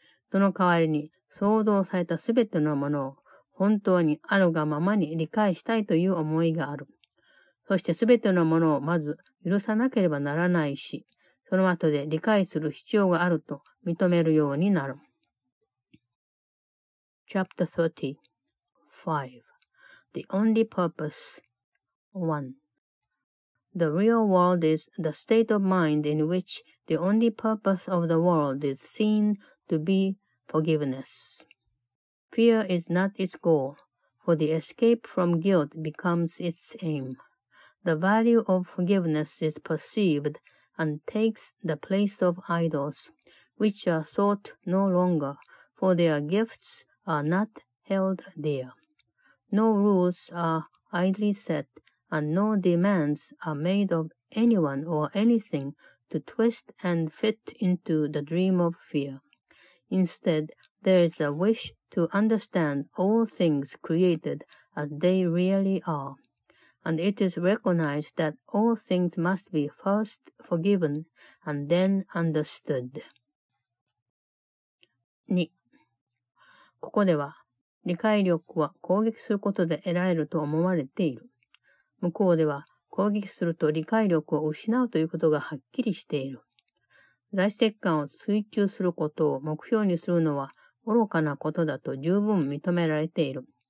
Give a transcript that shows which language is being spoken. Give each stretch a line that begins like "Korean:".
Japanese: その代わりに、創造されたすべてのものを本当にあるがままに理解したいという思いがある。そしてすべてのものをまず許さなければならないし、その後で理解する必要があると認めるようになる。
English: Chapter 35 The Only Purpose 1 The real world is the state of mind in which the only purpose of the world is seen to be forgiveness. Fear is not its goal, for the escape from guilt becomes its aim. The value of forgiveness is perceived and takes the place of idols, which are sought no longer, for their gifts are not held dear. No rules are idly set, and no demands are made of anyone or anything to twist and fit into the dream of fear. Instead, there is a wish to understand all things created as they really are. And it is recognized that all things must be first forgiven and then understood. 2.
Japanese: ここでは、理解力は攻撃することで得られると思われている。向こうでは、攻撃すると理解力を失うということがはっきりしている。在籍感を追求することを目標にするのは愚かなことだと十分認められている。